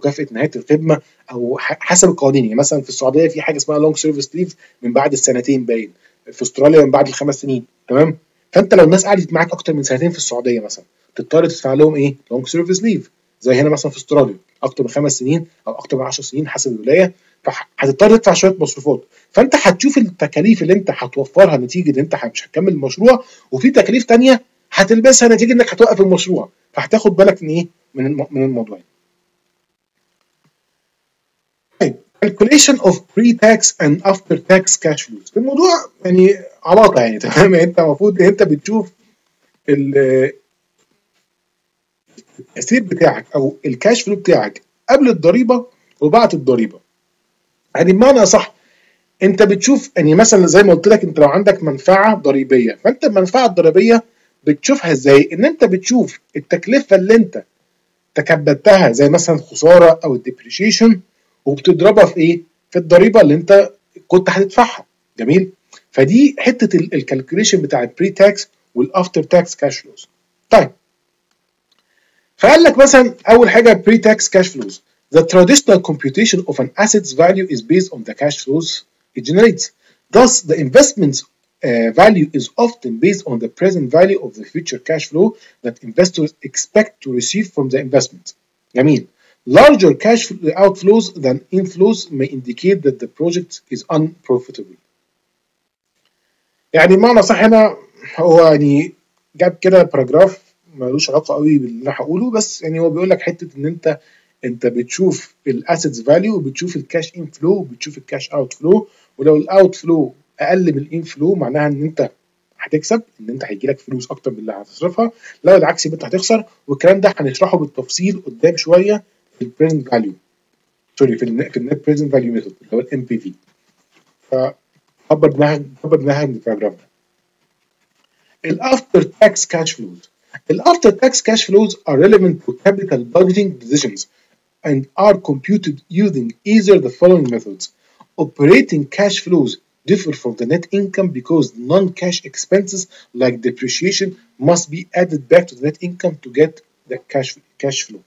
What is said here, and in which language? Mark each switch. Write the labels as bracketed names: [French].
[Arabic] نهايه الخدمه او حسب القوانين. يعني مثلا في السعوديه في حاجه اسمها لونج سيرفيس ليف من بعد السنتين، باين في استراليا من بعد الخمس سنين، تمام؟ فانت لو الناس قعدت معاك اكتر من سنتين في السعوديه مثلا تضطر تدفع لهم ايه، لونج سيرفيس ليف، زي هنا مثلا في استراليا اكتر من خمس سنين او اكتر من 10 سنين حسب الولايه، فهتضطر تدفع شويه مصروفات. فانت هتشوف التكاليف اللي انت هتوفرها نتيجه ان انت مش هتكمل المشروع، وفي تكاليف تانية هتلبسها نتيجه انك هتوقف المشروع، فهتاخد بالك من ايه، من الموضوع. [English] calculation of pre tax and after tax cash flows. [Arabic] الموضوع يعني علاقه يعني، تمام؟ انت المفروض انت بتشوف التأثير بتاعك او الكاش فلو بتاعك قبل الضريبه وبعد الضريبه. يعني بمعنى صح انت بتشوف، يعني مثلا زي ما قلت لك انت لو عندك منفعه ضريبيه فانت المنفعه الضريبيه بتشوفها ازاي؟ ان انت بتشوف التكلفه اللي انت تكبدتها زي مثلا خساره او الديبريشيشن، وبتضربها في ايه؟ في الضريبه اللي انت كنت هتدفعها. جميل. فدي حته الكالكوليشن بتاع البري تاكس والافتر تاكس كاش فلوز. [English] طيب فقال لك مثلا اول حاجه البري tax cash flows: The traditional computation of an asset's value is based on the cash flows it generates. Thus, the investment's value is often based on the present value of the future cash flow that investors expect to receive from the investment. [Arabic] جميل. [English] Larger cash outflows than inflows may indicate that the project is unprofitable. [Arabic] يعني معنى صح هنا هو يعني جاب كده باراجراف مالوش علاقه قوي باللي هقوله، بس يعني هو بيقول لك حته ان انت بتشوف الاسيتس فاليو، بتشوف الكاش ان فلو، بتشوف الكاش اوت فلو، ولو الاوت فلو اقل من الان فلو معناها ان انت هتكسب، ان انت هيجي لك فلوس اكتر من اللي هتصرفها، لو العكس يبقى انت هتخسر. والكلام ده هنشرحه بالتفصيل قدام شويه في البريزنت فاليو، سوري في النت بريزنت فاليو ميثود اللي هو الام بي في. فكبرناها من البراجراف ده. [English] الافتر tax cash flows: After tax cash flows are relevant to capital budgeting decisions and are computed using either the following methods. Operating cash flows differ from the net income because non-cash expenses like depreciation must be added back to the net income to get the cash flow.